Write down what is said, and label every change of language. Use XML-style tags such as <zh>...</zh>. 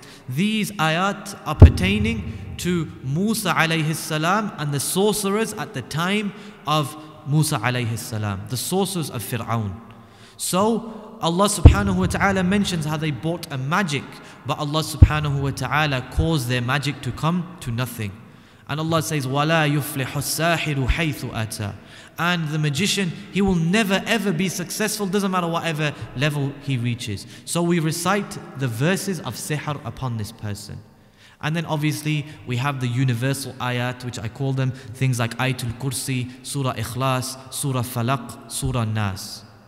<en>These ayat are pertaining to Musa alayhi salam and the sorcerers at the time of Musa alayhi salam, the sorcerers of Fir'aun. So Allah subhanahu wa ta'ala mentions how they bought a magic, but Allah subhanahu wa ta'ala caused their magic to come to nothing. And Allah says,</en> <ar>وَلَا يُفْلِحُ السَّاحِرُ حَيْثُ أَتَى.</ar> <en>And the magician, he will never ever be successful, doesn't matter whatever level he reaches. So we recite the verses of sihr upon this person. And then obviously we have the universal ayat, which I call them, things like Ayatul Kursi, Surah Ikhlas, Surah Falaq, Surah Nas.</en>